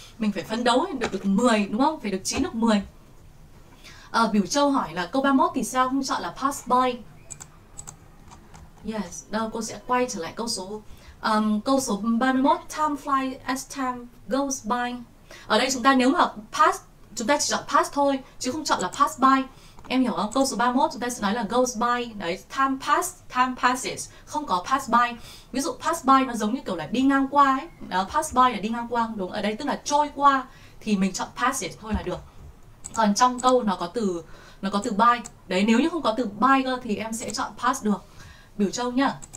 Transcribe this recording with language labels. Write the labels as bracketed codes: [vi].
[vi] Mình phải phấn đấu được được 10 đúng không? Phải được 9 được 10. Biểu Châu hỏi là câu 31 thì sao không chọn là pass by? Yes, đâu cô sẽ quay trở lại câu số 31, [en] time flies as time goes by. [vi] Ở đây chúng ta nếu mà pass, chúng ta chỉ chọn pass thôi chứ không chọn là pass by. Em hiểu không? Câu số 31 chúng ta sẽ nói là goes by. [en] Đấy, time pass, time passes. [vi] Không có pass by. Ví dụ pass by nó giống như kiểu là đi ngang qua ấy. Đó, pass by là đi ngang qua, đúng. Ở đây tức là trôi qua thì mình chọn passes thôi là được. Còn trong câu nó có từ by. Đấy, nếu như không có từ by cơ thì em sẽ chọn pass được. Biểu Châu nhá.